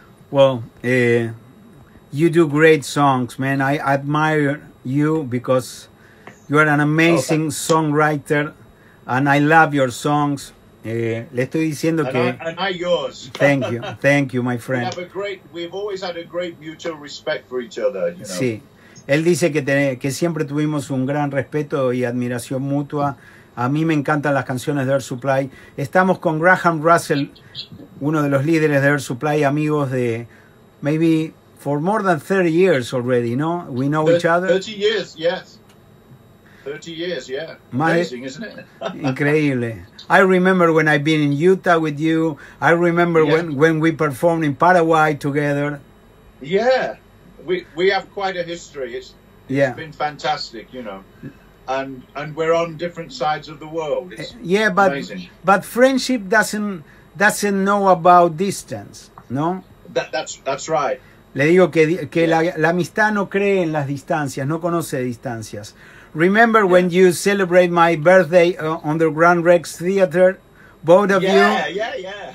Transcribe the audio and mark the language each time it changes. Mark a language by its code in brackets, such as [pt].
[en] Well, you do great songs, man. I admire you because you are an amazing songwriter, and I love your songs. [es] Le estoy diciendo [en] and [es] que... [en] And I yours. Thank you, my friend. We've always had a great mutual respect for each other, you know. [es] Sí. Él dice que siempre tuvimos un gran respeto y admiración mutua. A mí me encantan las canciones de Air Supply. Estamos con Graham Russell, uno de los líderes de Air Supply, amigos de... [en] Maybe for more than 30 years already, ¿no? We know each other. 30 years, yes. 30 years, yeah. Amazing, isn't it? Incredible. I remember when I've been in Utah with you. I remember when we performed in Paraguay together. Yeah. We have quite a history. It's been fantastic, you know. And we're on different sides of the world. It's amazing. But friendship doesn't know about distance, ¿no? That's right. [es] Le digo que la amistad no cree en las distancias, no conoce distancias. [en] Remember when you celebrate my birthday on the Grand Rex Theater, both of you?